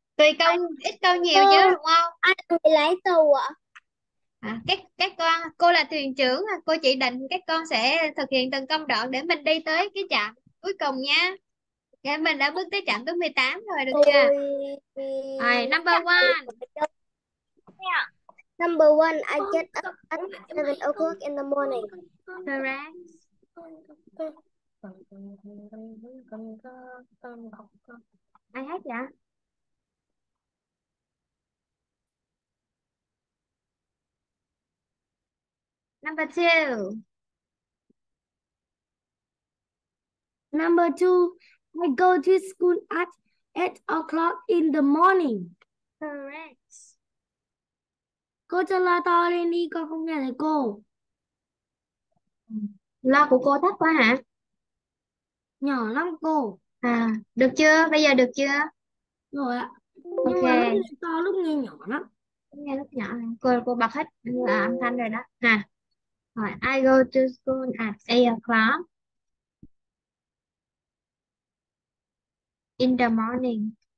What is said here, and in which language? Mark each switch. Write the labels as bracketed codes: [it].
[vi] Tùy câu ít câu nhiều chứ đúng không? Ai người lái tàu ạ? Các con, cô là thuyền trưởng, cô chỉ định các con sẽ thực hiện từng công đoạn để mình đi tới cái trạm cuối cùng nha. Thì mình đã bước tới trạm thứ 18 rồi, được chưa? [en] Rồi, number one. Number one, I get up at 7 o'clock in the morning. Correct. [vi] Ai hát vậy? [en] Number two. Number two, I go to school at 8 o'clock in the morning. Correct. [vi] Cô cho loa to lên đi, con không nghe thấy cô. Loa của cô thấp quá hả? Nhỏ lắm cô. À, được chưa? Bây giờ được chưa? Rồi ạ. Nhưng mà [en] Ok. [vi] lúc nghe to lúc nghe nhỏ lắm. Nghe lúc nhỏ cô bật hết âm thanh rồi đó ha. [en] Rồi, I go to school at 8 o'clock in the morning.